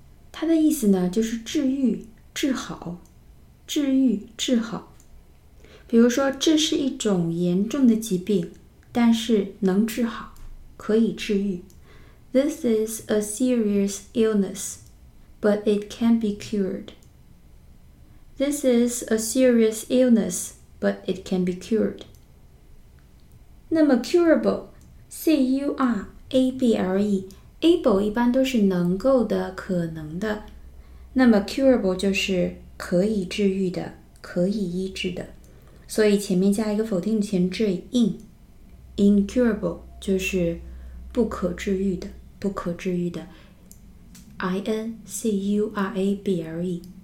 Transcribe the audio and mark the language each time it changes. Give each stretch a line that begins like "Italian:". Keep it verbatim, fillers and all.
Chinese: 它的意思呢就是治愈治好治愈治好比如说这是一种严重的疾病但是能治好可以治愈
English: This is a serious illness, but it can be cured. This is a serious illness, but it can be cured.
Chinese: 那么 curable, C U R A B L E, able 一般都是能够的可能的那么 curable 就是可以治愈的可以医治的所以前面加一个否定前缀 in incurable 就是不可治愈的不可治愈的 I N C U R A B L E